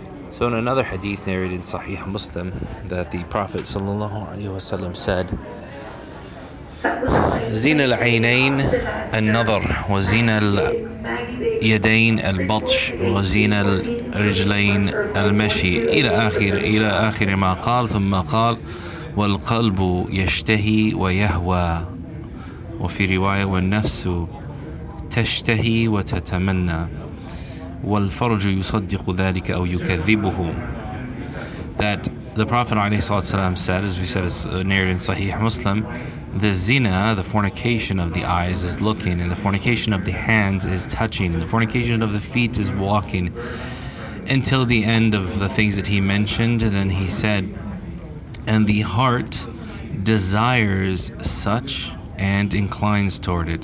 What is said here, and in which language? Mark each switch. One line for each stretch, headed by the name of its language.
English: So in another hadith narrated in Sahih Muslim, that the Prophet sallallahu alaihi wasallam said,
Arabic: زين العينين النظر وزين اليدين البطش وزين الرجلين المشي إلى آخر ما قال. ثم قال والقلب يشتهي ويهوى وفي رواية والنفس تشتهي وتتمنى والفرج يصدق ذلك أو يكذبه.
English: That the Prophet عليه الصلاة والسلام said, as we said, it's narrated in Sahih Muslim, the zina, the fornication of the eyes, is looking, and the fornication of the hands is touching, and the fornication of the feet is walking, until the end of the things that he mentioned. Then he said, and the heart desires such and inclines toward it.